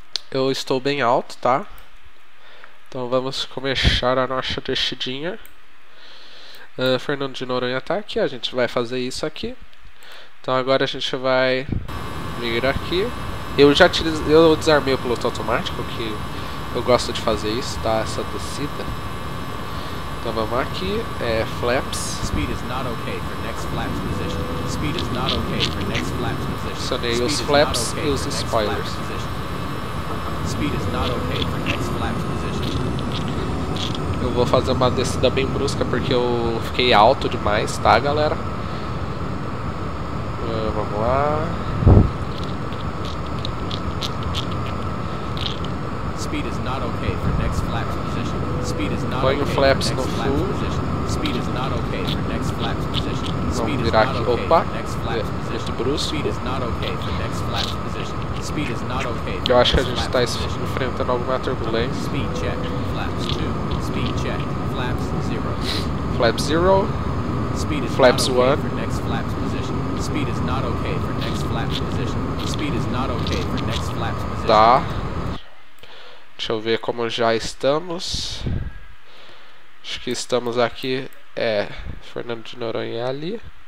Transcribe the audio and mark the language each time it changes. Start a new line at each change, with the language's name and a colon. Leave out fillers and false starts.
Portuguese: Eu estou bem alto, tá? Então vamos começar a nossa descidinha. Fernando de Noronha tá aqui, a gente vai fazer isso aqui. Então agora a gente vai vir aqui. Eu desarmei o piloto automático, que eu gosto de fazer isso, tá? Essa descida. Então vamos aqui, flaps.
English: Speed is not okay for next flaps position. Speed is not okay for next flaps position.
Portuguese: Acionei os flaps e os spoilers.
English: Speed is not okay for next flaps position.
Portuguese: Eu vou fazer uma descida bem brusca porque eu fiquei alto demais, tá galera? Vamos lá.
English: Speed is not okay for next flaps position. Speed is not okay for next flaps position.
Portuguese: Põe o flaps no full.
English: Speed is not okay for next flaps position. Speed is not okay for next flaps position. Speed is not okay for next flaps position. Speed is not okay.
Portuguese: Eu acho que a gente está enfrentando alguma turbulência.
English: Speed check. Flaps 2. Speed check. Flaps 0. Flaps 0. Speed is flaps 1 for next flaps position. Speed is not okay for next flaps position. Speed is not okay for next flaps position.
Portuguese: Tá. Deixa eu ver como já estamos. Acho que estamos aqui. É, Fernando de Noronha ali.